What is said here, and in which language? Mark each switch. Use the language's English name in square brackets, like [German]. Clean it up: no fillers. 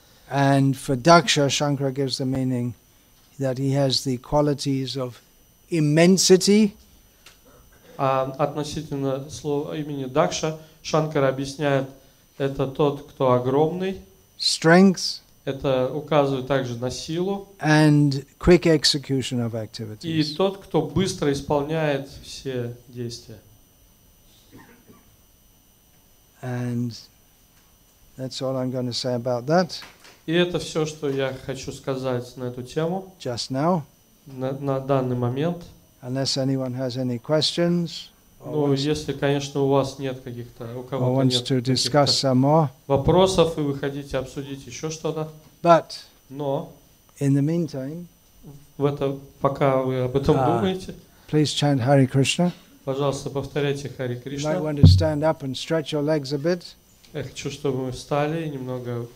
[English] And for Daksha, Shankara gives the meaning that he has the qualities of immensity. [Russian] Относительно слова имени Дакша, Шанкара объясняет, это тот, кто огромный. [English] Strength. [Russian] Это указывает также на силу. [English] And quick execution of activities. [Russian] И тот, кто быстро исполняет все действия. [English] And that's all I'm going to say about that. [Russian] И это все, что я хочу сказать на эту тему. [English] Just now. [Russian] на данный момент. [English] Unless anyone has any questions. [Russian] Ну, если, конечно, у вас нет каких-то, у кого-то [English] wants [Russian] нет [English] to discuss some more. [Russian] Вопросов, и вы хотите обсудить еще что-то. [English] But [Russian] но [English] in the meantime, [Russian] в это, пока вы об этом думаете, [English] please chant Hare Krishna. [Russian] Пожалуйста, повторяйте Hare Krishna. [English] You might want to stand up and stretch your legs a bit. [Russian] Я хочу, чтобы вы встали и немного